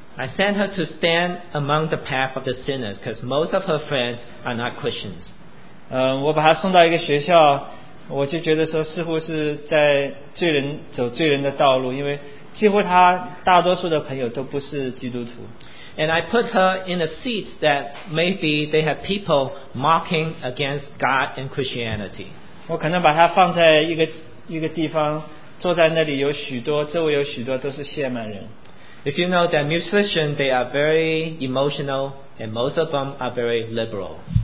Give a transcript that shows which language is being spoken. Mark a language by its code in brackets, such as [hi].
[en] I sent her to stand among the path of the sinners, because most of her friends are not Christians. [zh] 我把她送到一个学校。我就觉得说似乎是在罪人走罪人的道路，因为几乎他大多数的朋友都不是基督徒。 [en] And I put her in a seat that maybe they have people mocking against God and Christianity. [zh] 我可能把她放在一个地方，坐在那里，有许多周围有许多都是亵慢人。 [en] If you know that musicians, they are very emotional and most of them are very liberal.